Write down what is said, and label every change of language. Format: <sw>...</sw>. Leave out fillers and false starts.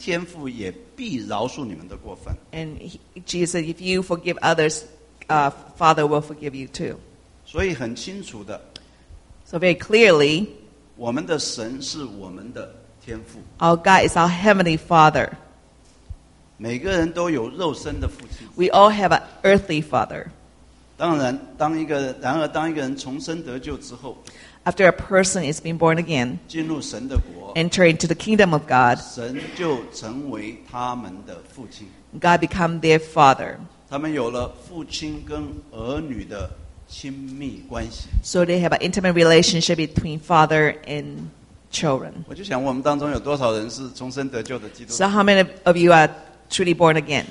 <zh>第5章第9节，那边又说：“你们饶恕人的过犯，你们天父也必饶恕你们的过犯。”</zh> <en>And Jesus said, if you forgive others, Father will forgive you too.</en> <zh>所以很清楚的,</zh> <en>so very clearly,</en> <zh>我们的神是我们的天父。</zh> <en>Our God is our Heavenly Father.</en> <zh>每个人都有肉身的父亲。</zh> <en>We all have an earthly father.</en> <zh>当然，当一个，然而当一个人重生得救之后，</zh> <en>after a person is being born again,</en> <zh>进入神的国，</zh> <en>enter into the kingdom of God,</en> <zh>神就成为他们的父亲。</zh> <en>God become their father.</en> <zh>他们有了父亲跟儿女的亲密关系。</zh> <en>So they have an intimate relationship between father and children.</en> <zh>我就想我们当中有多少人是重生得救的基督徒。</zh> <en>So how many of you are truly born again?</en>